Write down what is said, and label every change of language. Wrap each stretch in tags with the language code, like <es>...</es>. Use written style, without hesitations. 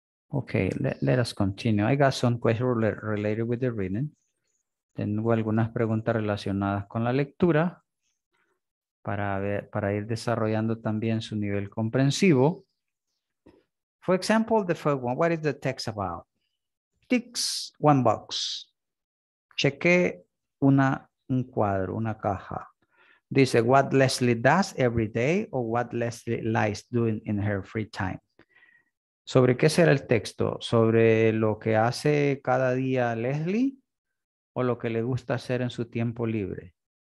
<en>Okay, let us continue. I got some questions related with the reading.</en> <es>Tengo algunas preguntas relacionadas con la lectura para ir desarrollando también su nivel comprensivo.</es> <en>For example, the first one, what is the text about? Ticks, one box.</en> <es>Cheque un cuadro, una caja. Dice,</es> <en>what Leslie does every day or what Leslie likes doing in her free time.</en> <es>¿Sobre qué será el texto? ¿Sobre lo que hace cada día Leslie o lo que le gusta hacer en su tiempo libre?</es>